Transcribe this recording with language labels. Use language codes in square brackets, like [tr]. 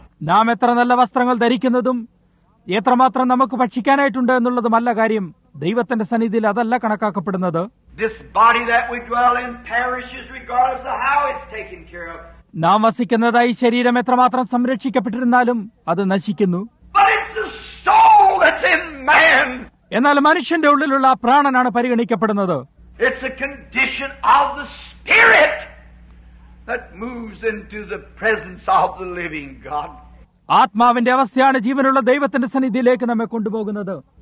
[ml] നാം എത്ര നല്ല വസ്ത്രങ്ങൾ ധരിക്കുന്നതും എത്രമാത്രം നമുക്ക് ഭക്ഷിക്കാനായിട്ടുണ്ട് എന്നുള്ളതുമല്ല കാര്യം, ദൈവത്തിന്റെ സന്നിധിയിൽ അതല്ല കണക്കാക്കപ്പെടുന്നത്. [en] This body that we dwell in perishes regardless of how it's taken care of. [ml] നാം വസിക്കുന്നതായി ശരീരം എത്രമാത്രം സംരക്ഷിക്കപ്പെട്ടിരുന്നാലും അത് നശിക്കുന്നു. [en] But it's the soul that's in man. [ml] എന്നാൽ മനുഷ്യന്റെ ഉള്ളിലുള്ള പ്രാണനാണ് പരിഗണിക്കപ്പെടുന്നത്. [en] It's a condition of the spirit that moves into the presence of the living God. [ml] ആത്മാവിന്റെ അവസ്ഥയാണ് ജീവനുള്ള ദൈവത്തിന്റെ സന്നിധിയിലേക്ക് നമ്മെ കൊണ്ടുപോകുന്നത്.